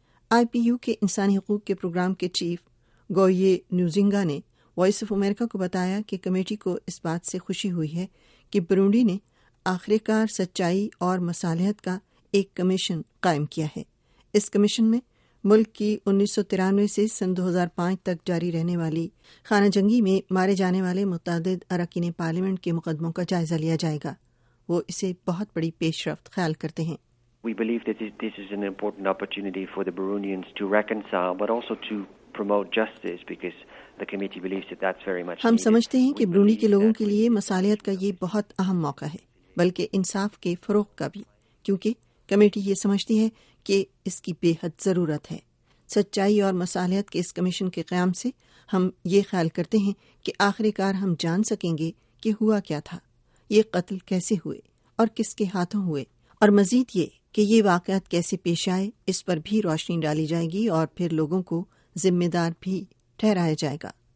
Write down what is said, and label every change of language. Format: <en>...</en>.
<ur>آئی P U کے انسانی حقوق کے پروگرام کے چیف گوئیے نیوزنگا نے وائس آف امریکہ کو بتایا کہ کمیٹی کو اس بات سے خوشی ہوئی ہے کہ برونڈی نے آخر کار سچائی اور مصالحت کا ایک کمیشن قائم کیا ہے. اس کمیشن میں ملک کی 1993 سے سن 2005 تک جاری رہنے والی خانہ جنگی میں مارے جانے والے متعدد اراکین پارلیمنٹ کے مقدموں کا جائزہ لیا جائے گا. وہ اسے بہت بڑی پیش رفت خیال کرتے ہیں.</ur> <en>We believe that this is an important opportunity for the Burundians to reconcile but also to promote justice because the committee believes that that's very much needed.</en> <ur>ہم سمجھتے ہیں کہ برونڈی کے لوگوں کے لیے مصالحت کا یہ بہت اہم موقع ہے، بلکہ انصاف کے فروغ کا بھی، کیونکہ کمیٹی یہ سمجھتی ہے کہ اس کی بے حد ضرورت ہے. سچائی اور مصالحت کے اس کمیشن کے قیام سے ہم یہ خیال کرتے ہیں کہ آخر کار ہم جان سکیں گے کہ ہوا کیا تھا، یہ قتل کیسے ہوئے اور کس کے ہاتھوں ہوئے، اور مزید یہ کہ یہ واقعات کیسے پیش آئے، اس پر بھی روشنی ڈالی جائے گی اور پھر لوگوں کو ذمہ دار بھی ٹھہرایا جائے گا.</ur>